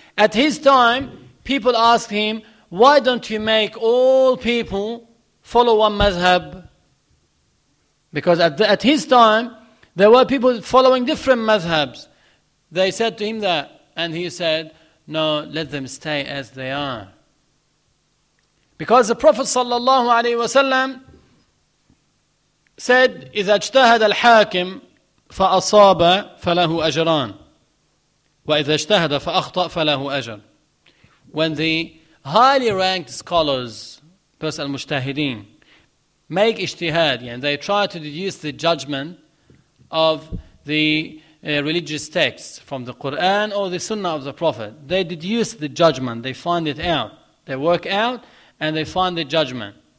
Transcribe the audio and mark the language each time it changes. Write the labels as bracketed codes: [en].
[en] At his time, people asked him, why don't you make all people follow one mazhab? Because at his time, there were people following different mazhabs. They said to him that, and he said, no, let them stay as they are. Because the Prophet sallallahu alaihi wasallam said, [ar] إِذَا اجْتَهَدَ الْحَاكِمُ فَأَصَابَ فَلَهُ أَجْرَانُ وَإِذَا اجْتَهَدَ فَأَخْطَأَ فَلَهُ أَجْرٌ. [en] When the highly ranked scholars, person al-mujtahideen, make ijtihad, and they try to deduce the judgment of the religious texts from the Quran or the Sunnah of the Prophet, they deduce the judgment, they find it out, they work out, and they find the judgment.